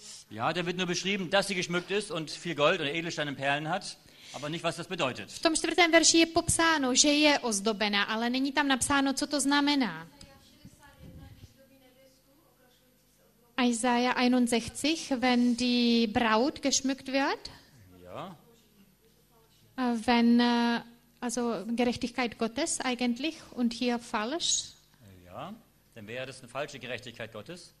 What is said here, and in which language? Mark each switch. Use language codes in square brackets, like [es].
[de] Ja, da wird nur beschrieben, dass sie geschmückt ist und viel Gold und Edelsteine und Perlen hat, aber nicht, was das bedeutet. [cs] V tom čtvrtém verši je popsáno, že je ozdobená, ale není tam napsáno, co to znamená. [de] Isaiah 61, wenn die Braut geschmückt wird, ja, wenn, also Gerechtigkeit Gottes eigentlich und hier falsch, ja, dann wäre das eine falsche Gerechtigkeit Gottes.